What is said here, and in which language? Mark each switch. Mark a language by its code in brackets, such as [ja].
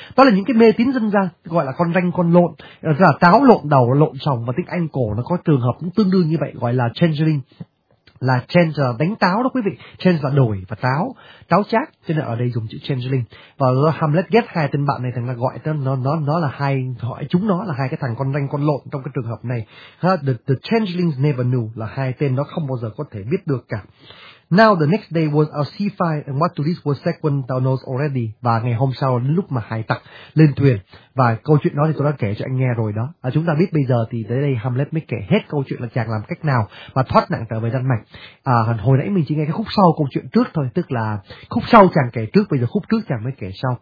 [vi] Đó là những cái mê tín dân gian gọi là con ranh con lộn, tức là táo lộn đầu lộn sòng, và tiếng Anh cổ nó có trường hợp cũng tương đương như vậy, gọi là changeling, là change là đánh táo đó quý vị, change là đổi và táo chát, cho nên ở đây dùng chữ changeling. Và Hamlet ghét hai tên bạn này, thằng là gọi tên nó là hai, gọi chúng nó là hai cái thằng con ranh con lộn trong cái trường hợp này. [en] The changelings never knew, [vi] là hai tên nó không bao giờ có thể biết được cả. [en] Now the next day was our sea fight, and what to this was second thou knows already. [vi] Và ngày hôm sau đến lúc mà hải tặc lên thuyền, và câu chuyện đó thì tôi đã kể cho anh nghe rồi đó. À, chúng ta biết bây giờ thì tới đây Hamlet mới kể hết câu chuyện là chàng làm cách nào mà thoát nạn trở về Đan Mạch. Hồi nãy mình chỉ nghe cái khúc sau câu chuyện trước thôi, tức là khúc sau chàng kể trước, bây giờ khúc trước chàng mới kể sau.